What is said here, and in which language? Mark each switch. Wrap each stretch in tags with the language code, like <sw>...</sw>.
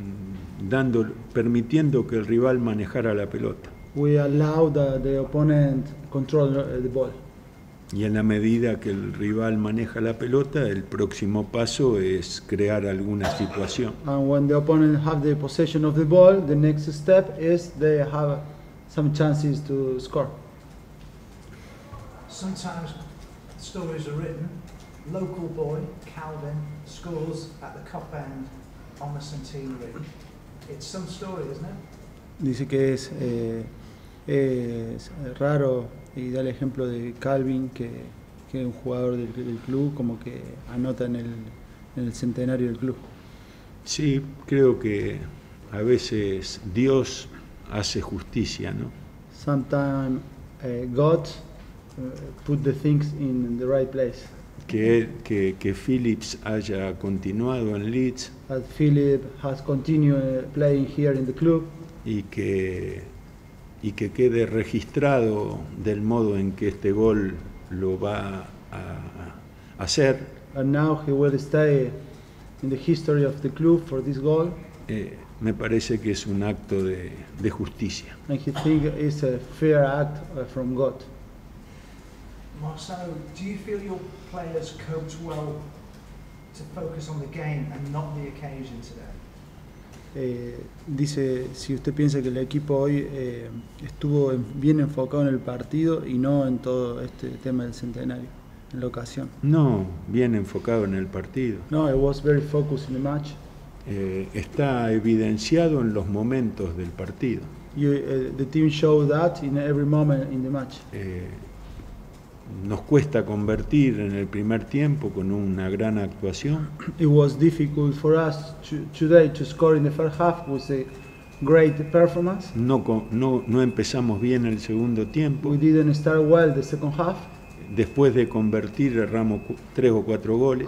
<es>fuimos permitiendo que el rival manejara la pelota.</es> <en>We allowed the opponent control the ball.</en> <es>Y en la medida que el rival maneja la pelota, el próximo paso es crear alguna situación.</es> <en>And when the opponent have the possession of the ball, the next step is they have some chances to score. Sometimes stories are written. Local boy Calvin scores at the cup end on the centenary. It's some story, isn't it?</en> <es>Dice que es raro y da el ejemplo de Calvin que es un jugador del club como que anota en el centenario del club. Sí, creo que a veces Dios hace justicia, ¿no?</es> <en>Sometimes God put the things in the right place.</en> <es>Que Phillips haya continuado en Leeds.</es> <en>That Phillips has continued playing here in the club.</en> <es>Y que quede registrado del modo en que este gol lo va a hacer.</es> <en>And now he will stay in the history of the club for this goal.</en> <es>Me parece que es un acto de justicia.</es> <en>And he think it's a fair act from God. Marcelo, do you feel your players coped well to focus on the game and not the occasion today?</en> <es>Dice si usted piensa que el equipo hoy estuvo bien enfocado en el partido y no en todo este tema del centenario, en la ocasión. No, bien enfocado en el partido.</es> <en>No, it was very focused in the match.</en> <es>Está evidenciado en los momentos del partido.</es> <en>The team showed that in every moment in the match.</en> <es>Nos cuesta convertir en el primer tiempo con una gran actuación.</es> <en>It was difficult for us today to score in the first half with a great performance.</en> <es>No empezamos bien el segundo tiempo.</es> <en>We didn't start well the second half.</en> <es>Después de convertir erramos tres o cuatro goles.</es>